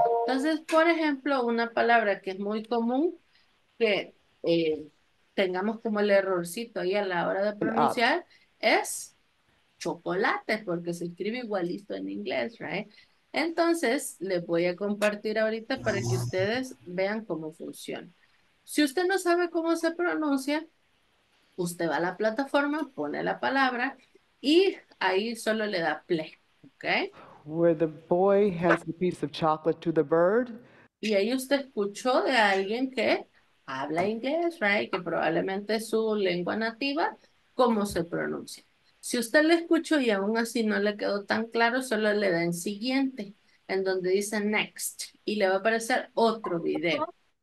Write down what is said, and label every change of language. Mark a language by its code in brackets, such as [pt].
[es] Entonces, por ejemplo, una palabra que es muy común, que tengamos como el errorcito ahí a la hora de pronunciar, es chocolate, porque se escribe igualito en inglés, [en] right? [es] Entonces, les voy a compartir ahorita para que ustedes vean cómo funciona. Si usted no sabe cómo se pronuncia, usted va a la plataforma, pone la palabra y ahí solo le da play, ¿okay? [en] Where the boy has a piece of chocolate to the bird. [es] Y ahí usted escuchó de alguien que habla inglés, [en] right? [es] Que probablemente es su lengua nativa, cómo se pronuncia. Si usted lo escuchó y aún así no le quedó tan claro, solo le da en siguiente, en donde dice next, y le va a aparecer otro video.